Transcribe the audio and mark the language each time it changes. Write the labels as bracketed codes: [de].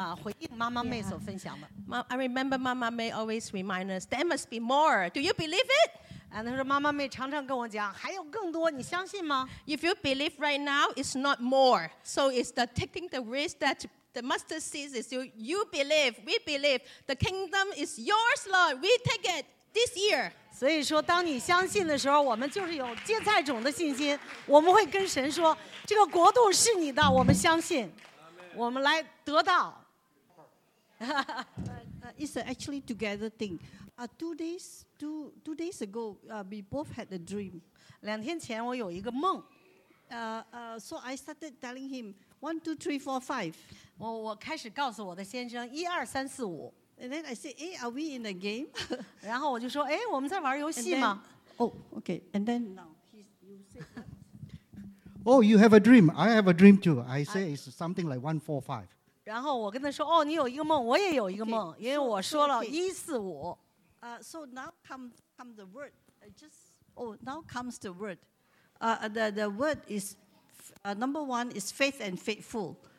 [zh] 我2.5分钟。我特别想回应妈妈妹所分享的。 [en] I remember Mama May always remind us, there must be more. Do you believe it? And [zh] 她说妈妈妹常常跟我讲，还有更多，你相信吗？ [en] If you believe right now, it's not more. So it's the taking the risk that the mustard seed is you believe, we believe, the kingdom is yours, Lord. We take it this year. [zh] 所以说当你相信的时候,我们就是有芥菜种的信心,我们会跟神说,这个国度是你的,我们相信,我们来得到。 [en] It's actually together thing. Two days ago, we both had a dream. [zh] 两天前我有一个梦。 [en] So I started telling him, 1, 2, 3, 4, 5. [zh] 我开始告诉我的先生,1, 2, 3, 4, 5。 [en] And then I say, hey, are we in the game? [zh] 然后我就说, hey, 我们在玩游戏吗? [en] And then now, you say, oh, you have a dream. I have a dream too. I say it's something like 1, 4, 5. [zh] 然后我跟他说, oh, 你有一个梦, 我也有一个梦, 因为我说了一四五。 [en] So now comes the word. The word is, number one is faith and faithful.